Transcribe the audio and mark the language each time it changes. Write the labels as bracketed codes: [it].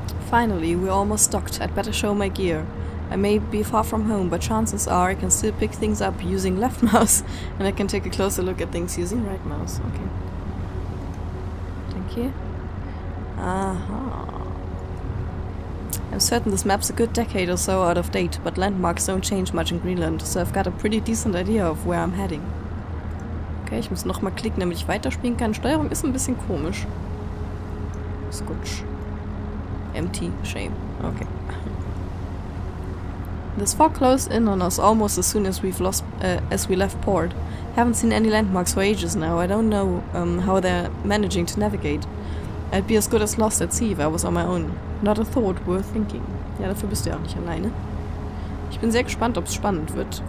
[en] Finally, we're almost docked. I'd better show my gear. I may be far from home, but chances are I can still pick things up using left mouse, and I can take a closer look at things using right mouse. Okay. Thank you. I'm certain this map's a good decade or so out of date, but landmarks don't change much in Greenland, so I've got a pretty decent idea of where I'm heading. [de] Okay, ich muss nochmal klicken, damit ich weiterspielen kann. Steuerung ist ein bisschen komisch. Skutsch. [en] Empty shame. [de] Okay. [en] This fog closed in on us almost as soon as we left port. Haven't seen any landmarks for ages now. I don't know how they're managing to navigate. I'd be as good as lost at sea if I was on my own. Not a thought worth thinking. [de] Ja, dafür bist du ja auch nicht alleine. Ich bin sehr gespannt, ob es spannend wird.